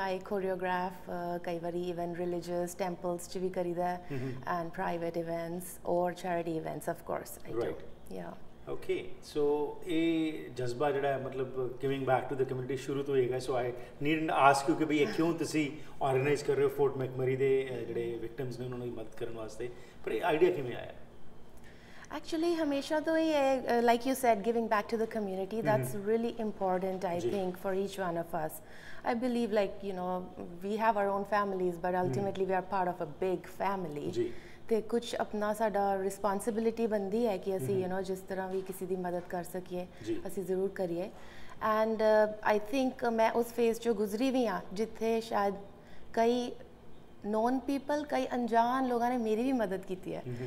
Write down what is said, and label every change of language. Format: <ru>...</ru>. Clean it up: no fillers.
<en>I choreograph,</en> <pa>ਕਈ ਵਾਰੀ</pa> <en>even religious temples</en> <pa>'ਚ ਵੀ ਕਰੀਦਾ,</pa> <en>And private events ਔਰ charity events of course. Right, yeah.</en> <pa>ਓਕੇ, ਸੋ ਇਹ ਜਜ਼ਬਾ ਜਿਹੜਾ ਹੈ, ਮਤਲਬ</pa> <en>giving back to the community,</en> <pa>ਸ਼ੁਰੂ ਤੋਂ ਹੈਗਾ।</pa> <en>so I need us,</en> <pa>ਕਿਉਂਕਿ ਵੀ ਇਹ ਕਿਉਂ ਤੁਸੀਂ ਔਰਗਨਾਈਜ਼ ਕਰ ਰਹੇ ਹੋ ਫੋਰਟ ਮੈਕਮਰੀ ਦੇ ਜਿਹੜੇ ਵਿਕਟਿਮਸ ਨੇ ਉਹਨਾਂ ਨੂੰ ਮਦਦ ਕਰਨ ਵਾਸਤੇ, ਪਰ ਇਹ ਆਈਡੀਆ ਕਿਵੇਂ ਆਇਆ?</pa> <en>Actually,</en> <hi>Hamesha to ye,</hi> <en>like you said, giving back to the community, that's really important, I think, for each one of us. I believe, like, you know, we have our own families, but ultimately we are part of a big family.</en> <pa>ਅਤੇ ਕੁਛ ਆਪਣਾ ਸਾਡਾ responsibility ਬਣਦੀ ਹੈ ਕਿ ਅਸੀਂ</pa> <en>you know</en> <pa>ਜਿਸ ਤਰ੍ਹਾਂ ਵੀ ਕਿਸੇ ਦੀ ਮਦਦ ਕਰ ਸਕੀਏ ਅਸੀਂ ਜ਼ਰੂਰ ਕਰੀਏ।</pa> <en>and I think</en> <pa>ਮੈਂ ਉਸ ਫੇਸ 'ਚੋਂ ਗੁਜ਼ਰੀ ਵੀ ਹਾਂ ਜਿੱਥੇ ਸ਼ਾਇਦ ਕਈ ਨੋਨ ਪੀਪਲ, ਕਈ ਅਣਜਾਣ ਲੋਕਾਂ ਨੇ ਮੇਰੀ ਵੀ ਮਦਦ ਕੀਤੀ ਹੈ।</pa>